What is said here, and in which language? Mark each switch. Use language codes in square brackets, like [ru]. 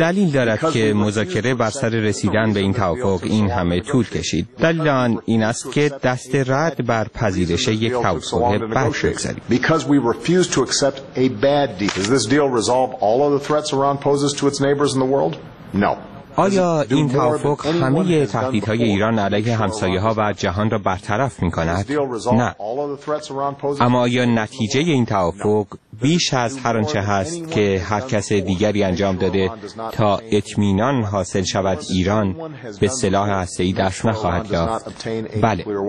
[fa] دلیل دارد که مذاکره بر سر رسیدن به این توافق این همه طول کشید. دلیل آن این است که دست رد بر پذیرش یک توافق بد بگذاریم. [en] Because we refused to accept a bad deal. Does this deal resolve all the threats Iran poses to its neighbors in the world? No. [fa] آیا این توافق همه تهدیدهای ایران علیه همسایه‌ها و جهان را برطرف می‌کند؟ نه. اما آیا نتیجه این توافق بیش از هر آنچه هست که هر کس دیگری انجام داده تا اطمینان حاصل شود ایران به سلاح هسته‌ای دست نخواهد یافت؟ بله.